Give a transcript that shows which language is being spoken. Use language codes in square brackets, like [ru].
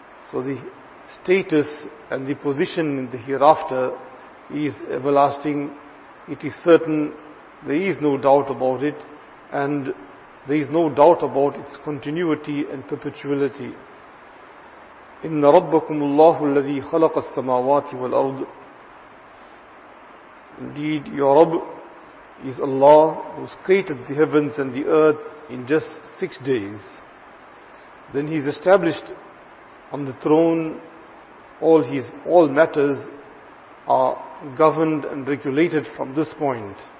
[en] So the status and the position in the hereafter is everlasting. It is certain, there is no doubt about it, and there is no doubt about its continuity and perpetuality. [ar] إن ربكم الله الذي خلق السماوات والأرض. [en] Indeed, your Rabb is Allah who's created the heavens and the earth in just 6 days. Then He's established on the throne. All matters are governed and regulated from this point.